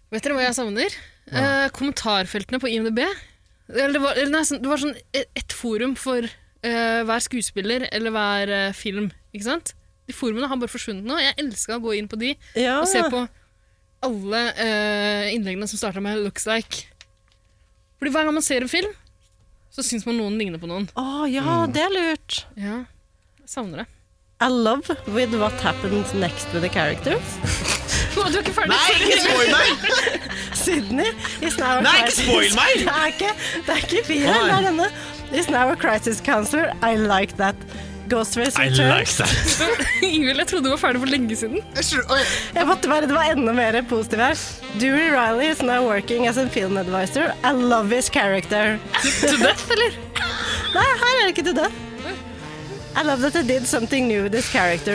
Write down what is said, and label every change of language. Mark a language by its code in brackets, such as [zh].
[no] Vet dere hva jeg savner? Ja. Kommentarfeltene på IMDb. Det var sånn et forum for hver skuespiller eller hver film, ikke sant? De formene har bare forsvunnet nå. Jeg elsker å gå inn på de og se på alle innleggene som startet med [en] looks like. [no] Fordi hver gang man ser en film, så synes man noen ligner på noen. Det er lurt. Ja, jeg savner det. [en] I love with what happens next with the characters. [no] Du er ikke ferdig. Nei, ikke spoil meg! [en] Sydney, is now a crisis. [no] Nei, ikke spoil meg! Det er ikke fire, det er denne. [en] Is now a crisis counselor. I like that. Ghostface Return. I like that. [no] Ingevild, jeg trodde du var ferdig for lenge siden. Jeg måtte være, det var enda mer positiv her. Dewey Riley is now working as a film advisor. I love his character. [en] To death, eller? [no] Nei, her er det ikke [en] to death. I love that I did something new with this character.